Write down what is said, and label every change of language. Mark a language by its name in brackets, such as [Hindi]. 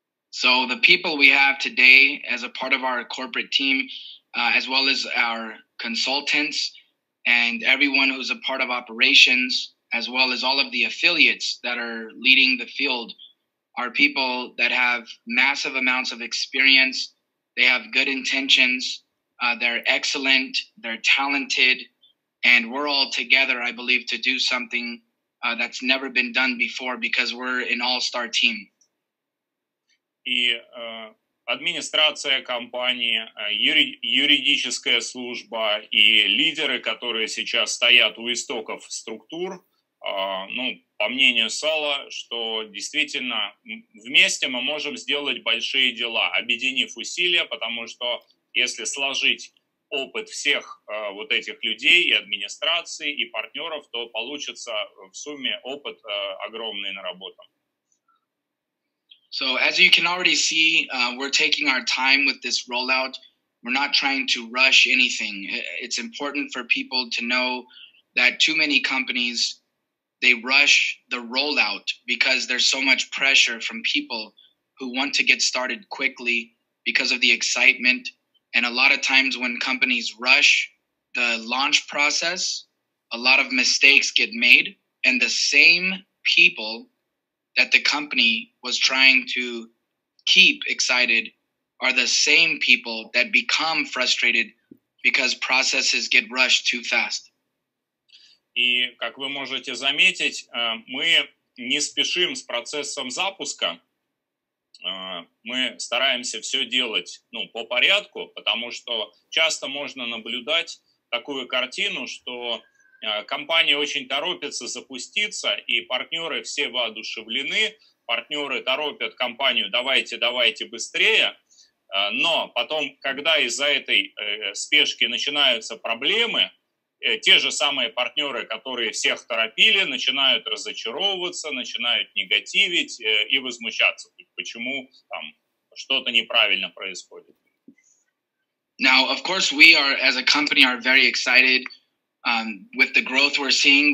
[English] So the people we have today as a part of our corporate team, as well as our consultants and everyone who's a part of operations, as well as all of the affiliates that are leading the field, are people that have massive amounts of experience. They have good intentions, they're excellent, they're talented, and we're all together, I believe, to do something that's never been done before because we're an all-star team. [Russian] И администрация компании, юридическая служба и лидеры, которые сейчас стоят у истоков структур, ну, по мнению Сала, что действительно вместе мы можем сделать большие дела, объединив усилия, потому что если сложить опыт всех вот этих людей и администрации, и партнеров, то получится в сумме опыт огромный на работу. [English] So as you can already see, we're taking our time with this rollout. We're not trying to rush anything. It's important for people to know that too many companies, they rush the rollout because there's so much pressure from people who want to get started quickly because of the excitement. And a lot of times when companies rush the launch process, a lot of mistakes get made, and the same people that the company was trying to keep excited are the same people that become frustrated because processes get rushed too fast. [Russian] И, как вы можете заметить, мы не спешим с процессом запуска. Мы стараемся все делать, ну, по порядку, потому что часто можно наблюдать такую картину, что компания очень торопится запуститься, и партнеры все воодушевлены, партнеры торопят компанию, давайте, давайте быстрее. Но потом, когда из-за этой спешки начинаются проблемы, те же самые партнеры, которые всех торопили, начинают разочаровываться, начинают негативить и возмущаться, почему там что-то неправильно происходит. [English] Now, of course, we are, as a company, are very excited with the growth we're seeing.